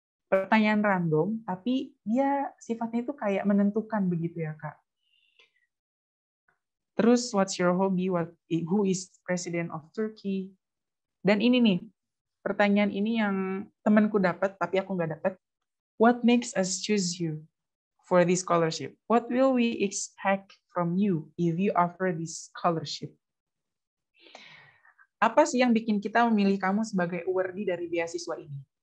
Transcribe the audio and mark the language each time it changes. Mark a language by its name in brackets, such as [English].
[Indonesian] Pertanyaan random, tapi dia sifatnya itu kayak menentukan begitu ya, Kak. Terus, [English] what's your hobby? Who is president of Turkey? [Indonesian] Dan ini nih, pertanyaan ini yang temanku dapat, tapi aku nggak dapat. [English] What makes us choose you for this scholarship? What will we expect from you if you offer this scholarship? [Indonesian] Apa sih yang bikin kita memilih kamu sebagai awardee dari beasiswa ini?